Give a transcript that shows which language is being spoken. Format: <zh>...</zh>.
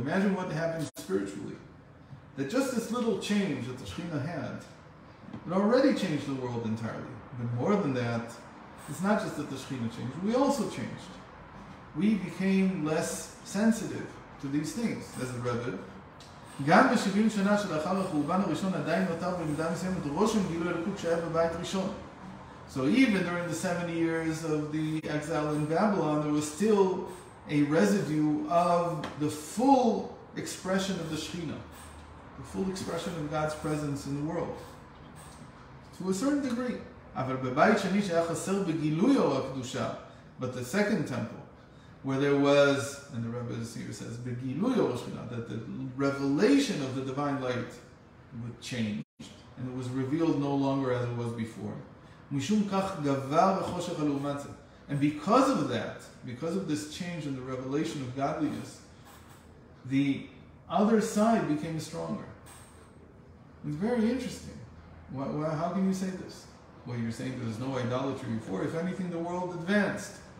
<en>Imagine what happens spiritually. That just this little change that the Shekhinah had, it already changed the world entirely. But more than that, it's not just that the Shekhinah changed, we also changed. We became less sensitive to these things, as the Rebbe.</en> <he>גם ב-70 שנה של אחר החורבן הראשון עדיין נותר במידה מסוימת רושם גילוי אלוקות שהיה בבית ראשון.</he> <en>So even during the 70 years of the exile in Babylon, there was still a residue of the full expression of the Shekhinah, the full expression of God's presence in the world, to a certain degree.</en> <he>אבל בבית שני שהיה חסר בגילוי אור הקדושה,</he> <en>but the second temple, where there was, and the Rebbe here says,</en> <he>בגילוי אור השכינה,</he> <en>that the revelation of the divine light would change, and it was revealed no longer as it was before.</en> <he>משום כך גבר החושך הלעומת זה.</he> <en>And because of that, because of this change in the revelation of godliness, the other side became stronger. It's very interesting. Why, how can you say this? Well, you're saying there's no idolatry before. If anything, the world advanced.</en>